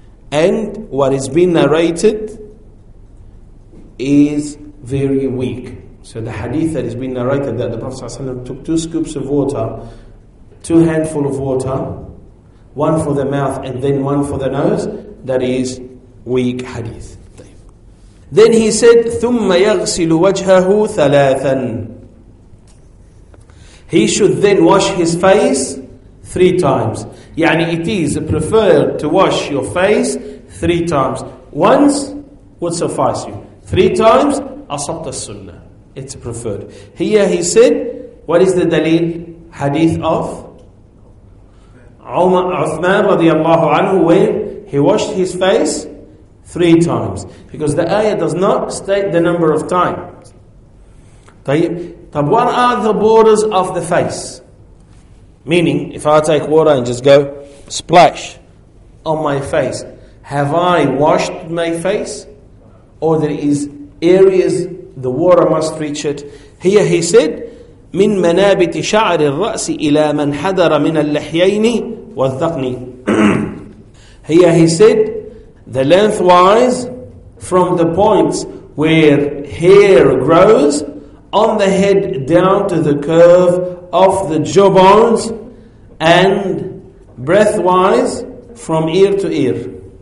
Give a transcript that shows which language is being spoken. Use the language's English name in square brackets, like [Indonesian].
[English] And what is being narrated is very weak. So the hadith that is being narrated, that the Prophet ﷺ took two scoops of water, two handful of water, one for the mouth and then one for the nose, that is weak hadith. Then he said, [Arabic] ثُمَّ يَغْسِلُ وَجْهَهُ ثَلَاثًا. [English] He should then wash his face three times. يعني it is preferred to wash your face three times. Once would suffice you. Three times, [Arabic] أَصَبْتَ السُّنَّةِ. [English] It's preferred. Here he said, what is the dalil? Hadith of Uthman radiallahu anhu, where he washed his face three times. Because the ayah does not state the number of times. طيب, what are the borders of the face? Meaning, if I take water and just go splash on my face, have I washed my face? Or there is areas the water must reach it? Here he said, [Arabic] مِن مَنَابِتِ شَعْرِ الرَّأْسِ إِلَى مَنْ حَدَرَ مِنَ اللَّحْيَيْنِ وَالذَّقْنِ. [English] Here he said, the lengthwise from the points where hair grows on the head down to the curve of the jawbones, and breathwise from ear to ear.